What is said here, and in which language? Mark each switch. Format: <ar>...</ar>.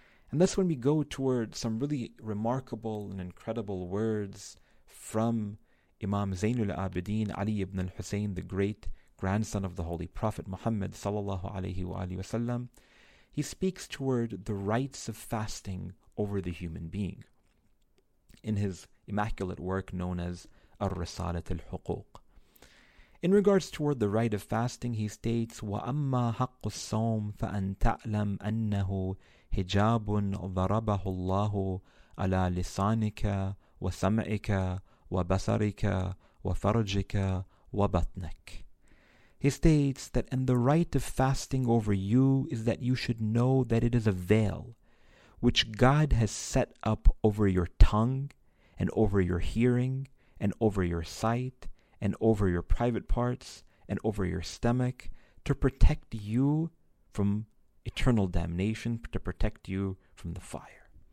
<en>And that's when we go toward some really remarkable and incredible words from Imam Zainul Abidin Ali ibn al-Husayn, the great grandson of the Holy Prophet Muhammad sallallahu alayhi wa alayhi wa sallam. He speaks toward the rights of fasting over the human being in his immaculate work known as Ar-Risalat al-Huquq. In regards toward the right of fasting, he states,</en> <ar>وَأَمَّا حَقُّ الصَّوْمِ فَأَنْ تَعْلَمْ أَنَّهُ هِجَابٌ ضَرَبَهُ اللَّهُ عَلَى لِسَانِكَ وَسَمْعِكَ وَبَصَرِكَ وَفَرْجِكَ وَبَطْنِكَ.</ar> <en>He states that, and the right of fasting over you is that you should know that it is a veil which God has set up over your tongue and over your hearing and over your sight and over your private parts and over your stomach to protect you from eternal damnation, to protect you from the fire.</en>